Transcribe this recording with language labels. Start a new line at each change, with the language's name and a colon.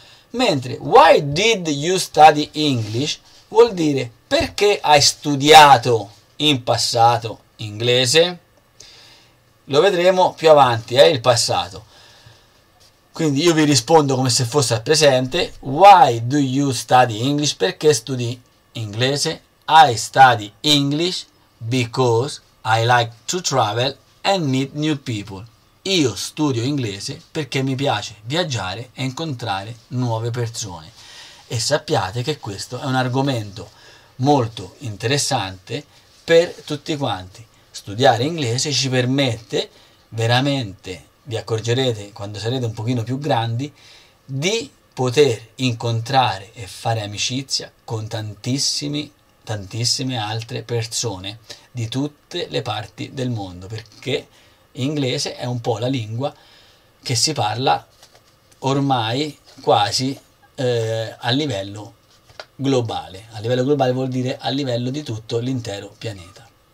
Italian: Mentre
English: why did you study English
Italian: vuol dire perché hai studiato in passato inglese? Lo vedremo più avanti, il passato. Quindi io vi rispondo come se fosse al presente.
English: Why do you study English?
Italian: Perché studi inglese?
English: I study English because I like to travel and meet new people.
Italian: Io studio inglese perché mi piace viaggiare e incontrare nuove persone. E sappiate che questo è un argomento molto interessante per tutti quanti. Studiare inglese ci permette veramente, vi accorgerete quando sarete un pochino più grandi, di poter incontrare e fare amicizia con tantissime altre persone di tutte le parti del mondo, perché inglese è un po' la lingua che si parla ormai quasi a livello globale. A livello globale vuol dire a livello di tutto l'intero pianeta.